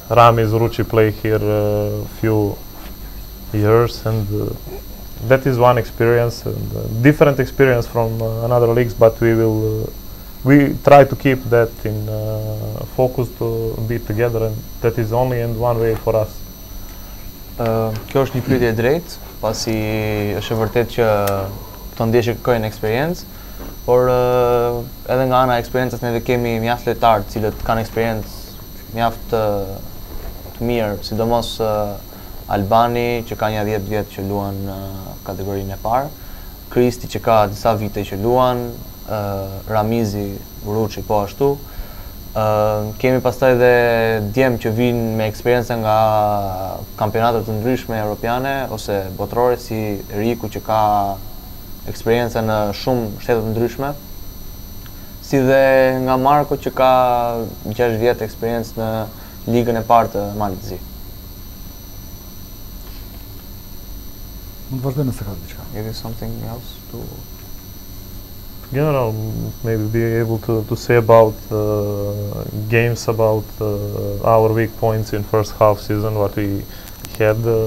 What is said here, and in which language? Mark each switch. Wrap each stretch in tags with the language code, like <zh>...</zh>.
<en>Ramiz Ruchi played here a few years, and that is one experience and different experience from another leagues, but we will we try to keep that in focus to be together, and that is only and one way for us.</en> <sq>Kjo është një pyetje e drejtë, pasi është e vërtetë që këto ndeshje kërkojnë eksperiencë, por edhe nga ana e eksperiencës neve kemi mjaft lojtarë të cilët kanë eksperiencë mjaft të mirë, sidomos Albani që ka një 10 vjet që luan në kategorinë e parë, Kristi që ka disa vite që luan, Ramizi, Vruçi po ashtu. Kemi pastaj edhe djemë që vinë me eksperiencë nga kampionatet të ndryshme europiane ose botërore si Eriku që ka eksperiencë në shumë shtetet ndryshme si dhe nga Marko që ka 6 vjetë eksperiencë në ligën e partë të Malit Zi. Më të vazhdoj nëse ka të diqka.</sq> <en>Maybe something else to... General, maybe be able to say about games, about our weak points in first half season, what we had.</en>